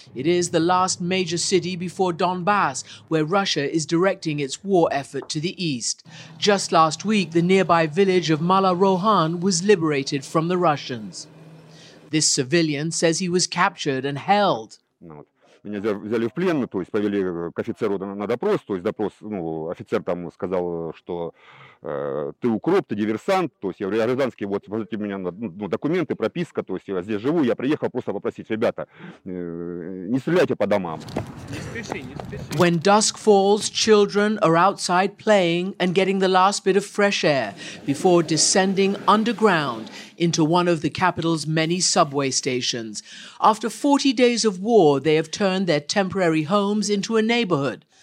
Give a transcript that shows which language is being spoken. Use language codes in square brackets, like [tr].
[en] It is the last major city before Donbass, where Russia is directing its war effort to the east. Just last week, the nearby village of Mala Rohan was liberated from the Russians. This civilian says he was captured and held. [ru] Меня взяли в плен, то есть повели к офицеру на допрос. То есть допрос, ну, офицер там сказал, что ты укроп, ты диверсант. То есть я говорю, я гражданский, вот, посмотрите, у меня ну, документы, прописка, то есть я здесь живу, я приехал просто попросить, ребята, не стреляйте по домам. [en] When dusk falls, children are outside playing and getting the last bit of fresh air before descending underground into one of the capital's many subway stations. After 40 days of war, they have turned their temporary homes into a neighborhood.